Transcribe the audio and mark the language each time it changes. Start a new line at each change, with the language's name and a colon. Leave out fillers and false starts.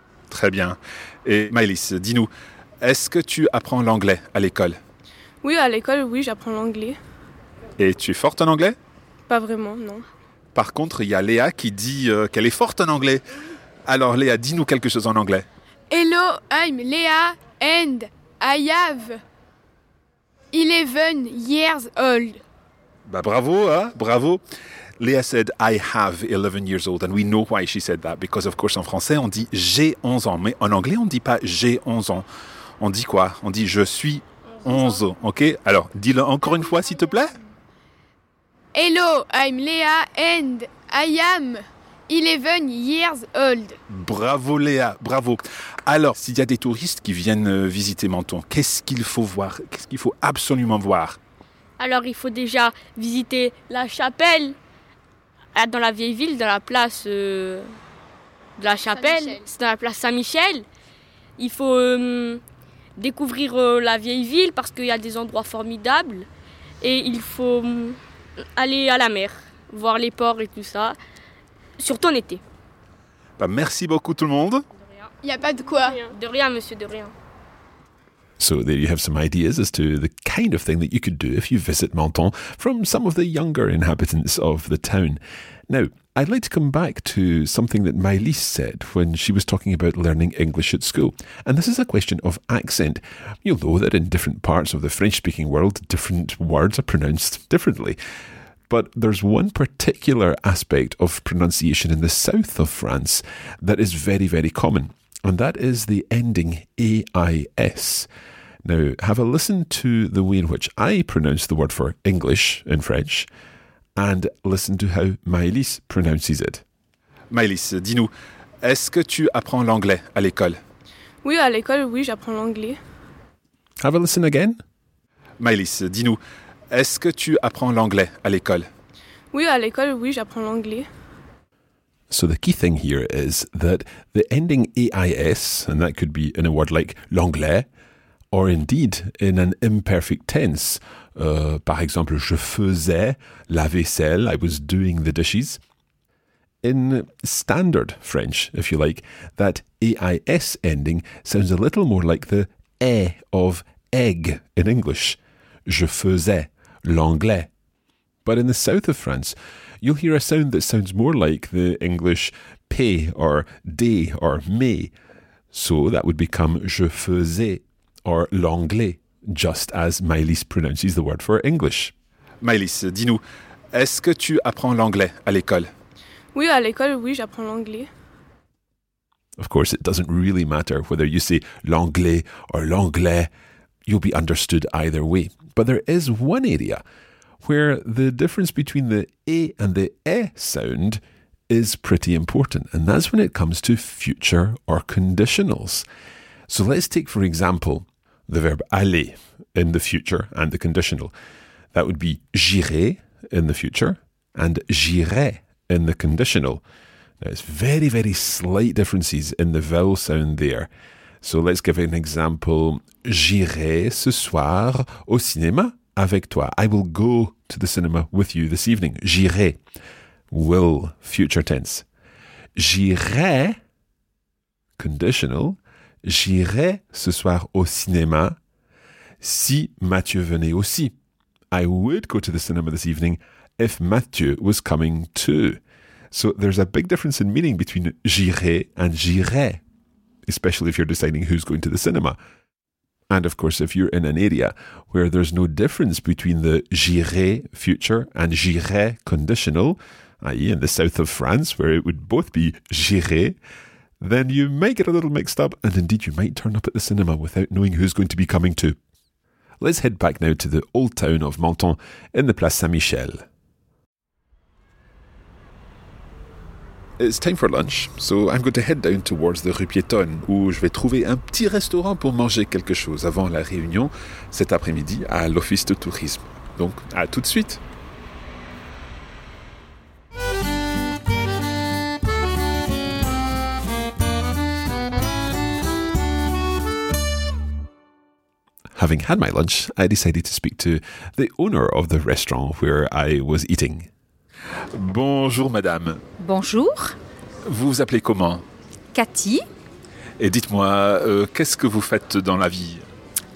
French: Très bien. Et Maëlys, dis-nous, est-ce que tu apprends l'anglais à l'école? Oui, à l'école, oui, j'apprends l'anglais. Et tu es forte en anglais? Pas vraiment, non. Par contre, il y a Léa qui dit qu'elle est forte en anglais. Alors Léa, dis-nous quelque chose en anglais.
English: Hello, I'm Léa and I have 11 years old.
French: Bah bravo, hein, bravo.
English: Léa said I have 11 years old and we know why she said that. Because of course,
French: en français, on dit j'ai 11 ans. Mais en anglais, on ne dit pas j'ai 11 ans. On dit quoi? On dit je suis 11 ans, ok? Alors, dis-le encore une fois, s'il te plaît.
English: Hello, I'm Léa and I am 11 years old.
French: Bravo Léa, bravo. Alors, s'il y a des touristes qui viennent visiter Menton, qu'est-ce qu'il faut voir? Qu'est-ce qu'il faut absolument voir? Alors, il faut déjà visiter la chapelle dans la vieille ville, dans la place de la chapelle. C'est dans la place Saint-Michel. Il faut découvrir la vieille ville parce qu'il y a des endroits formidables. Et il faut... aller à la mer, voir les ports et tout ça, surtout en été. Bah, merci beaucoup tout le monde. Il n'y a pas de quoi. De rien, monsieur, de rien.
English: So there you have some ideas as to the kind of thing that you could do if you visit Menton from some of the younger inhabitants of the town. Now, I'd like to come back to something that Maëlys said when she was talking about learning English at school. And this is a question of accent. You'll know that in different parts of the French-speaking world, different words are pronounced differently. But there's one particular aspect of pronunciation in the south of France that is very, very common. And that is the ending A-I-S. Now, have a listen to the way in which I pronounce the word for English in French. And listen to how Maëlys pronounces it.
French: Maëlys, dis-nous, est-ce que tu apprends l'anglais à l'école? Oui, à l'école, oui, j'apprends l'anglais.
English: Have a listen again.
French: Maëlys, dis-nous, est-ce que tu apprends l'anglais à l'école? Oui, à l'école, oui, j'apprends l'anglais.
English: So the key thing here is that the ending AIS, and that could be in a word like l'anglais, or indeed in an imperfect tense,
French: par exemple, je faisais la vaisselle,
English: I was doing the dishes. In standard French, if you like, that AIS ending sounds a little more like the E of egg in English.
French: Je faisais l'anglais.
English: But in the south of France, you'll hear a sound that sounds more like the English pay or day or may. So that would become
French: je faisais
English: or l'anglais, just as Maëlys pronounces the word for English.
French: Maëlys, dis-nous, est-ce que tu apprends l'anglais à l'école? Oui, à l'école, oui, j'apprends l'anglais.
English: Of course, it doesn't really matter whether you say l'anglais or l'anglais. You'll be understood either way. But there is one area where the difference between the E and the E sound is pretty important, and that's when it comes to future or conditionals. So let's take, for example, the verb aller in the future and the conditional. That would be j'irai in the future and j'irai in the conditional. Now, it's very, very slight differences in the vowel sound there. So let's give an example.
French: J'irai ce soir au cinéma avec toi.
English: I will go to the cinema with you this evening.
French: J'irai.
English: Will, future tense. J'irai conditional.
French: J'irai ce soir au cinéma si Mathieu venait aussi.
English: I would go to the cinema this evening if Mathieu was coming too. So there's a big difference in meaning between j'irai and j'irai, especially if you're deciding who's going to the cinema. And of course, if you're in an area where there's no difference between the j'irai future and j'irai conditional, i.e. in the south of France, where it would both be j'irai, then you might get a little mixed up, and indeed you might turn up at the cinema without knowing who's going to be coming too. Let's head back now to the old town of Menton in the Place Saint-Michel. It's time for lunch, so I'm going to head down towards
French: the Rue Piétonne, où je vais trouver un petit restaurant pour manger quelque chose avant la réunion cet après-midi à l'office de tourisme. Donc, à tout de suite!
English: Having had my lunch, I decided to speak to the owner of the restaurant where I was eating.
French: Bonjour, madame. Bonjour. Vous vous appelez comment ? Cathy. Et dites-moi, qu'est-ce que vous faites dans la vie ?